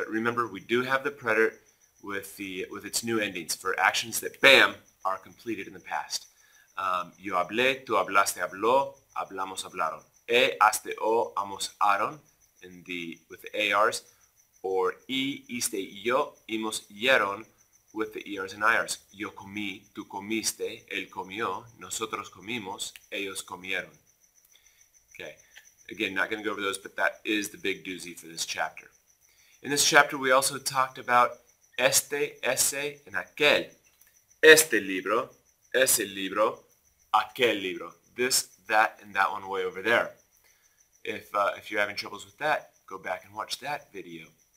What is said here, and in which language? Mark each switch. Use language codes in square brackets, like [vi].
[en] But remember, we do have the preterite with its new endings for actions that, bam, are completed in the past. [es] Yo hablé, tú hablaste, habló, hablamos, hablaron. E, aste, o, amos, aron, [en] in the, with the ARs. Or I, iste, yo, imos, yeron, with the ERs and IRs. [es] Yo comí, tú comiste, él comió, nosotros comimos, ellos comieron. [en] Okay, again, not going to go over those, but that is the big doozy for this chapter. In this chapter, we also talked about este, ese, and aquel. [es] Este libro, ese libro, aquel libro. [en] This, that, and that one way over there. If you're having troubles with that, go back and watch that video.